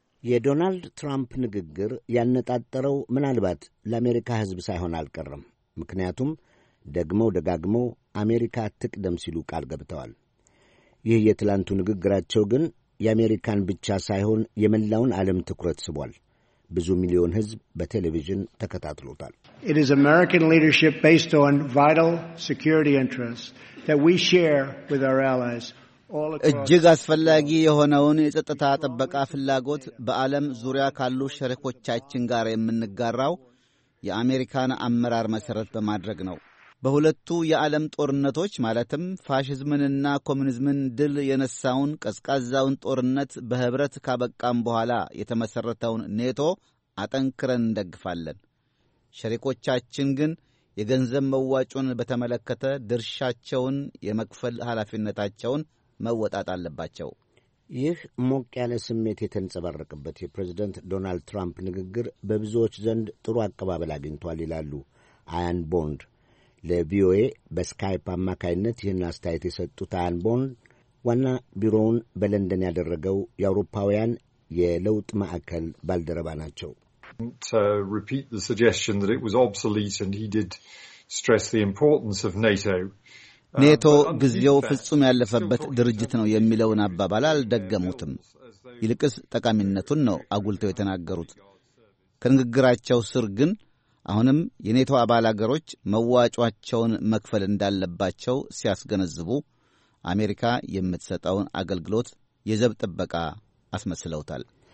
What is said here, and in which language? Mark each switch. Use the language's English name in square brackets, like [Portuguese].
[Amharic] የዶናልድ ትራምፕ ንግግር ያነጣጠረው ምናልባት ለአሜሪካ ህዝብ ሳይሆን አልቀርም። ምክንያቱም ደግሞ አሜሪካ ትቅደም ሲሉ ቃል ገብተዋል። ይህ የትላንቱ ንግግራቸው ግን የአሜሪካን ብቻ ሳይሆን የመላውን ዓለም ትኩረት ስቧል። ብዙ ሚሊዮን ህዝብ በቴሌቪዥን ተከታትሎታል። [English] It is American leadership based on vital security interests that we share with our allies. [Amharic] እጅግ አስፈላጊ የሆነውን የጸጥታ ጥበቃ ፍላጎት በዓለም ዙሪያ ካሉ ሸሪኮቻችን ጋር የምንጋራው የአሜሪካን አመራር መሰረት በማድረግ ነው። በሁለቱ የዓለም ጦርነቶች ማለትም ፋሽዝምንና ኮሙኒዝምን ድል የነሳውን ቀዝቃዛውን ጦርነት በህብረት ካበቃን በኋላ የተመሰረተውን ኔቶ አጠንክረን እንደግፋለን። ሸሪኮቻችን ግን የገንዘብ መዋጮን በተመለከተ ድርሻቸውን የመክፈል ኃላፊነታቸውን መወጣት አለባቸው። ይህ ሞቅ ያለ ስሜት የተንጸባረቀበት የፕሬዝደንት ዶናልድ ትራምፕ ንግግር በብዙዎች ዘንድ ጥሩ አቀባበል አግኝቷል ይላሉ አያን ቦንድ። ለቪኦኤ በስካይፕ አማካይነት ይህን አስተያየት የሰጡት አያን ቦንድ ዋና ቢሮውን በለንደን ያደረገው የአውሮፓውያን የለውጥ ማዕከል ባልደረባ ናቸው። [English] To repeat the suggestion that it was obsolete and he did stress the importance of NATO. [Amharic] ኔቶ ግዚያው ፍጹም ያለፈበት ድርጅት ነው የሚለውን አባባል አልደገሙትም። ይልቅስ ተቃሚነቱን ነው አጉልተው የተናገሩት። ከንግግራቸው ስር ግን አሁንም የኔቶ አባል አገሮች መዋጮአቸውን መክፈል እንዳለባቸው ሲያስገነዝቡ አሜሪካ የምትሰጠውን አገልግሎት የዘብ ጥበቃ አስመስለውታል።